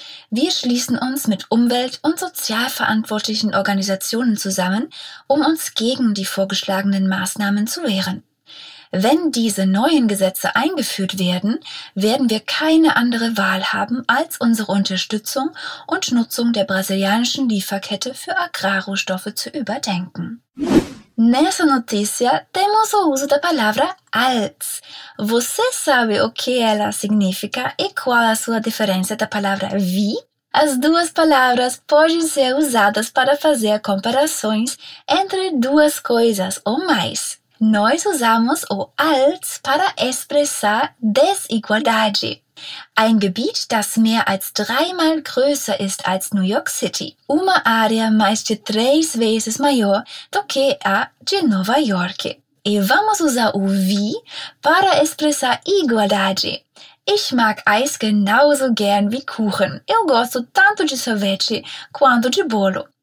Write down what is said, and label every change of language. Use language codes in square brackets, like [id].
[de] Wir schließen uns mit Umwelt- und sozialverantwortlichen Organisationen zusammen, um uns gegen die vorgeschlagenen Maßnahmen zu wehren. Wenn diese neuen Gesetze eingeführt werden, werden wir keine andere Wahl haben, als unsere Unterstützung und Nutzung der brasilianischen Lieferkette für Agrarrohstoffe zu überdenken. [pt] Nessa notícia temos o uso da palavra als. Você sabe o que ela significa e qual a sua diferença da palavra vi? As duas palavras podem ser usadas para fazer comparações entre duas coisas ou mais. Nós usamos o als para expressar desigualdade. [de] Ein Gebiet, das mehr als dreimal größer ist als New York City. [pt] Uma área mais de três vezes maior do que a de Nova York. E vamos usar o vi para expressar igualdade. [de] Ich mag Eis genauso gern wie Kuchen. [pt] Eu gosto tanto de sorvete quanto de bolo.